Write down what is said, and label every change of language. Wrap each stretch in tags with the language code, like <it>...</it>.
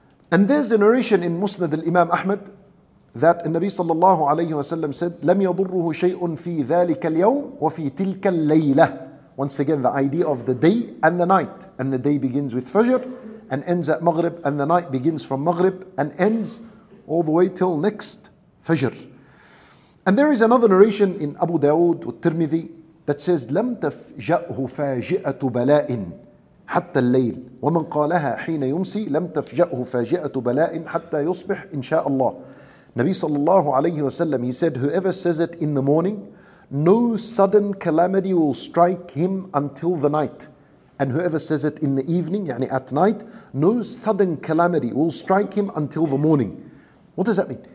<en>And there's a narration in Musnad al-Imam Ahmad that the Nabi sallallahu alayhi wa sallam said,</en> <ar>لم يضره شيء في ذلك اليوم وفي تلك الليلة.</ar> <en>Once again, the idea of the day and the night. And the day begins with Fajr and ends at Maghrib, and the night begins from Maghrib and ends all the way till next Fajr. And there is another narration in Abu Dawood or Tirmidhi that says,</en> <ar>لم تفجأه فاجئة بلاء حتى الليل ومن قالها حين يمسي لم تفجأه فاجئة بلاء حتى يصبح إن شاء الله.</ar> <en>Nabi sallallahu alayhi wa sallam, he said, whoever says it in the morning, no sudden calamity will strike him until the night. And whoever says it in the evening, yani at night, no sudden calamity will strike him until the morning. What does that mean?</en>